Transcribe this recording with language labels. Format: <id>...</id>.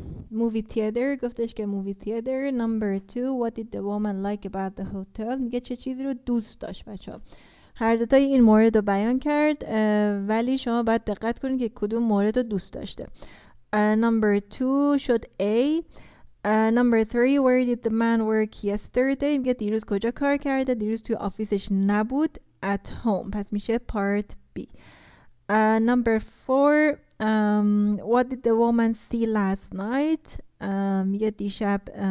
<en>Movie theater.</en> <fa>گفتش که</fa> <en>movie theater. Number 2. What did the woman like about the hotel?</en> <fa>میگه چه چیزی رو دوست داشت بچه ها. هر دوتا این مورد رو بیان کرد. ولی شما باید دقت کنید که کدوم مورد رو دوست داشته.</fa> <en>Number 2 شد A. Number 3. Where did the man work yesterday?</en> <fa>میگه دیروز کجا کار کرده؟ دیروز توی آفیسش نبود.</fa> <en>At home.</en> <fa>پس میشه part B.</fa> <en>Number 4. What did the woman see last night?</en> <fa>میگه دیشب</fa>